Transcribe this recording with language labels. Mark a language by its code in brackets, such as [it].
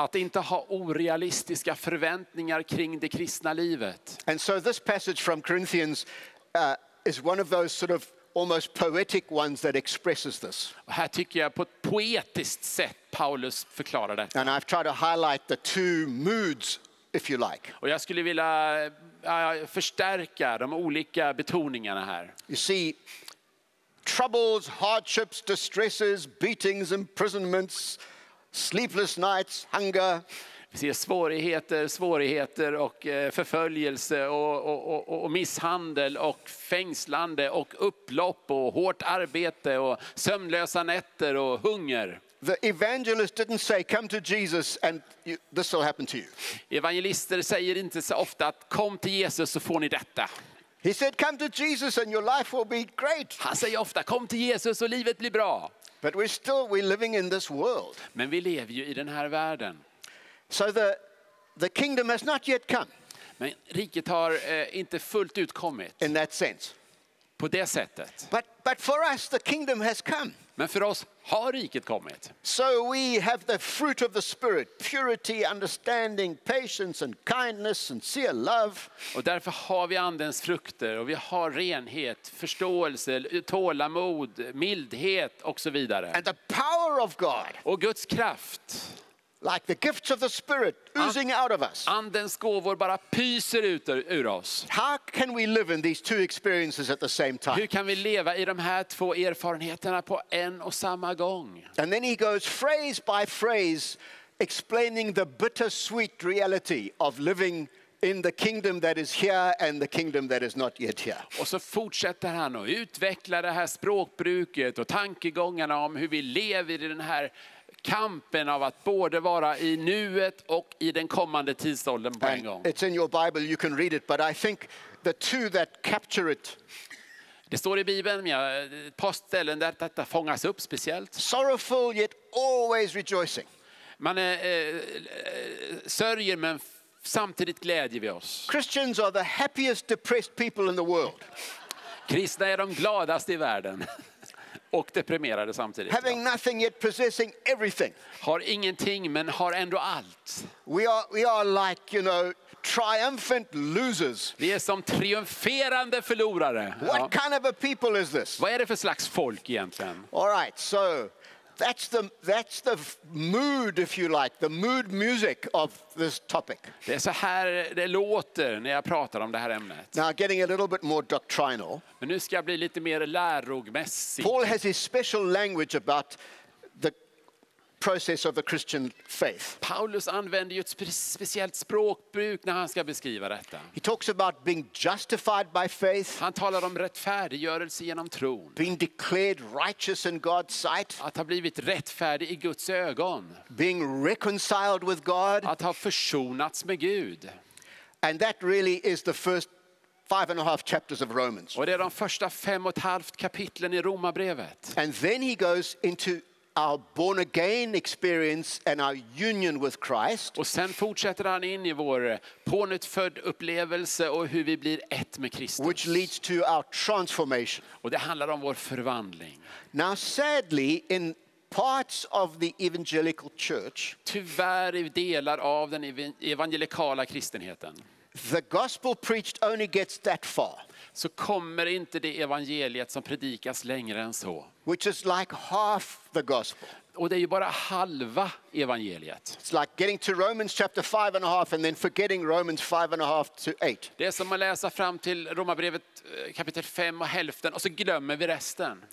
[sv] Att inte ha orealistiska förväntningar kring det kristna livet. [en] And so this passage from Corinthians is one of those sort of almost poetic ones that expresses this. [sv] Och här tycker jag på ett poetiskt sätt Paulus förklarar det. [en] And I've tried to highlight the two moods, if you like. [sv] Och jag skulle vilja förstärka de olika betoningarna här. [en] You see, troubles, hardships, distresses, beatings, imprisonments, sleepless nights, hunger. [sv] Vi ser svårigheter och förföljelse och misshandel och fängslande och upplopp och hårt arbete och sömnlösa nätter och hunger. [en] The evangelist didn't say, "Come to Jesus, and this will happen to you." [sv] Evangelister säger inte så ofta att kom till Jesus så får ni detta. [en] He said, "Come to Jesus, and your life will be great." [sv] Han säger ofta, kom till Jesus och livet blir bra. [en] But we're living in this world. [sv] Men vi lever ju i den här världen. [en] So the kingdom has not yet come. [sv] Men riket har inte fullt ut kommit. [en] In that sense. [sv] På det sättet. [en] But for us, the kingdom has come. [sv] Men för oss har riket kommit. [en] So we have the fruit of the spirit, purity, understanding, patience and kindness and sincere love. [sv] Och därför har vi andens frukter och vi har renhet, förståelse, tålamod, mildhet och så vidare. [en] And the power of God. [sv] Och Guds kraft. [en] Like the gifts of the spirit oozing out of us. [sv] Andens gåvor bara pyser ut ur oss. [en] How can we live in these two experiences at the same time? [sv] Hur kan vi leva i de här två erfarenheterna på en och samma gång? [en] And then he goes phrase by phrase explaining the bittersweet reality of living in the kingdom that is here and the kingdom that is not yet here. [sv] Och så fortsätter han och utvecklar det här språkbruket och tankegångarna om hur vi lever i den här kampen av att både vara i nuet och i den kommande tidsåldern på en gång. [en] It's in your Bible, you can read it, but I think the two that capture it. [sv] Det står i Bibeln, men ett par ställen där detta fångas upp speciellt. [en] Sorrowful yet always rejoicing. [sv] Man är sörjer men samtidigt glädjer vi oss. [en] Christians are the happiest depressed people in the world. [sv] Kristna är de gladaste i världen. Och deprimerade samtidigt. [en] Having nothing yet possessing everything. [sv] Har ingenting men har ändå allt. [en] We are like, you know, triumphant losers. [sv] Vi är som triumferande förlorare. [en] What kind of a people is this? [sv] Vad är det för slags folk egentligen? [en] All right, so that's the mood, if you like, the mood music of this topic. [sv] Det är så här det låter när jag pratar om det här ämnet. [en] Now getting a little bit more doctrinal. [sv] Men nu ska jag bli lite mer lärogmässig. [en] Paul has his special language about the process of the Christian faith. [sv] Paulus använder ju ett speciellt språkbruk när han ska beskriva detta. [en] He talks about being justified by faith. [sv] Han talar om rättfärdiggörelse genom tron. [en] Being declared righteous in God's sight. [sv] Att ha blivit rättfärdig i Guds ögon. [en] Being reconciled with God. [sv] Att ha försonats med Gud. [en] And that really is the first 5.5 chapters of Romans. [sv] Och det är de första 5.5 kapitlen i Romarbrevet. [en] And then he goes into our born again experience and our union with Christ. [sv] Och sen fortsätter han in i vår pånyttfödd upplevelse och hur vi blir ett med Kristus. [en] Which leads to our transformation. [sv] Och det handlar om vår förvandling. [en] Now sadly in parts of the evangelical church, [sv] tyvärr i delar av den evangelikala kristenheten, [en] the gospel preached only gets that far. [sv] Så kommer inte det evangeliet som predikas längre än så. [en] Which is like half the gospel. [sv] Och det är ju bara halva evangeliet. [en] It's like getting to Romans chapter 5.5 and then forgetting Romans 5.5-8. [sv] Det är som att läsa fram till Romarbrevet kapitel 5 och hälften och så glömmer vi resten.